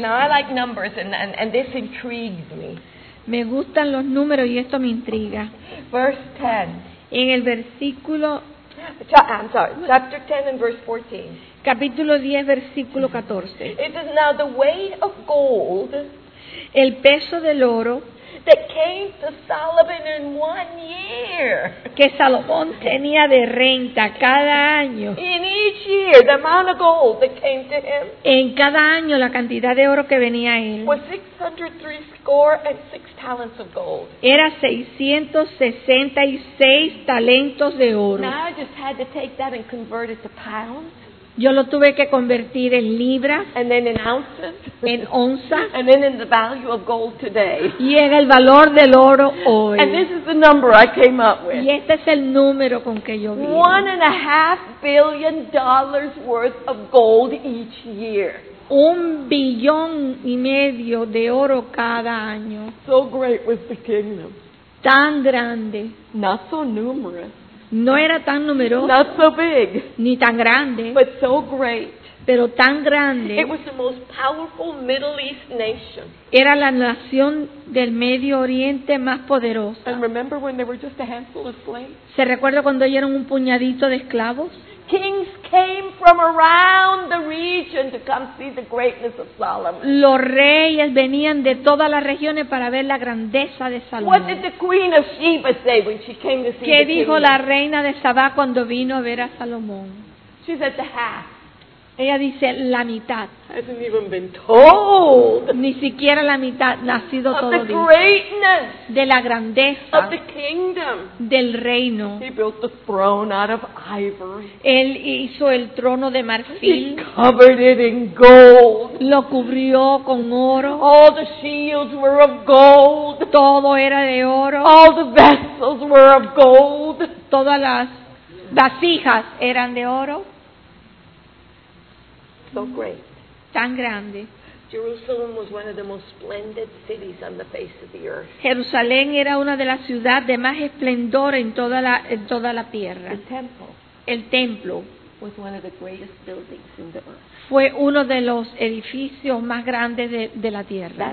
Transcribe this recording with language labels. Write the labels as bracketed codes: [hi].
[en] Now I like numbers and this intrigues me. [es] Me gustan los números y esto me intriga. [en] Verse 10. [es] En el versículo [en] chapter 10 and verse 14. [es] Capítulo 10 versículo 14. [en] It is now the weight of gold. [es] El peso del oro. [en] That came to Solomon in 1 year. [es] Que Salomón tenía de renta cada año. [en] In each year, the amount of gold that came to him. [es] En cada año la cantidad de oro que venía a él. [en] Was 603.6 talents of gold. [es] Era 666 talentos de oro. [en] Now I just had to take that and convert it to pounds. [es] Yo lo tuve que convertir en libras, [en] and then in ounces, [es] en onzas, [en] and then in the value of gold today. [es] Y en el valor del oro hoy. [en] And this is the number I came up with. [es] Y este es el número con que yo vi. [en] $1.5 billion worth of gold each year. [es] $1.5 billion de oro cada año. [en] So great was the kingdom. [es] Tan grande. [en] Not so numerous. [es] No era tan numeroso. [en] Not so big. [es] Ni tan grande. [en] But so great. [es] Pero tan grande. [en] It was the most powerful Middle East nation. [es] Era la nación del Medio Oriente más poderosa. [en] And remember when they were just a handful of slaves? [es] ¿Se recuerda cuando ellos eran un puñadito de esclavos? [en] Kings came from around the region to come see the greatness of Solomon. [es] Los reyes venían de todas las regiones para ver la grandeza de Salomón. [en] What did the Queen of Sheba say when she came to see Solomon? [es] ¿Qué dijo la reina de Sabá cuando vino a ver a Salomón? [en] She said the half. [es] Ella dice la mitad. [en] Hasn't even been told. [es] Ni siquiera la mitad ha sido todo dicho. [en] Of the greatness. [es] De la grandeza. [en] Of the kingdom. [es] Del reino. [en] He built the throne out of ivory. [es] Él hizo el trono de marfil. [en] He covered it in gold. [es] Lo cubrió con oro. [en] All the shields were of gold. [es] Todo era de oro. [en] All the vessels were of gold. [es] Todas las vasijas eran de oro. [en] So great. [es] Tan grande. [en] Jerusalem was one of the most splendid cities on the face of the earth. [es] Jerusalén era una de las ciudades de más esplendor en toda la tierra. [en] The temple. [es] El templo [en] was one of the greatest buildings in the earth. [es] Fue uno de los edificios más grandes de la tierra.